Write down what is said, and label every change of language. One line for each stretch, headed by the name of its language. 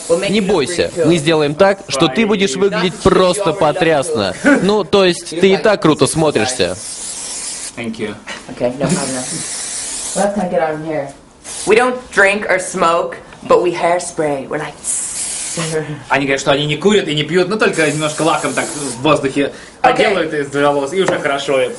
Russian: Не бойся, мы сделаем так, что ты будешь выглядеть просто потрясно. Ну, то есть, ты и так круто смотришься.
English: We don't drink or smoke, but we hairspray. We're like...
Russian: Они говорят, что они не курят и не пьют, но только немножко лаком так в воздухе поделают из двух волос, и уже хорошо.